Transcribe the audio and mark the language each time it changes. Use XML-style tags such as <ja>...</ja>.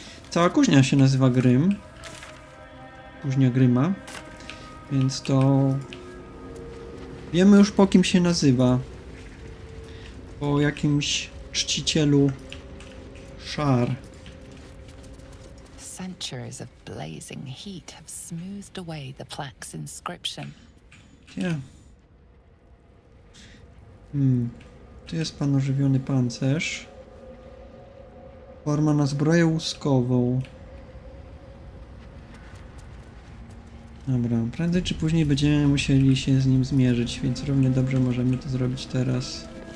<pl>Cała kuźnia się nazywa Grym. Kuźnia Gryma. Więc to... wiemy już po kim się nazywa. Po jakimś czcicielu szar.</pl> <en>Centuries of blazing heat have smoothed away the plaque's inscription.</en> <pl>Tu jest pan ożywiony pancerz. Forma na zbroję łuskową. Dobra, prędzej czy później będziemy musieli się z nim zmierzyć, więc równie dobrze możemy to zrobić teraz.</pl>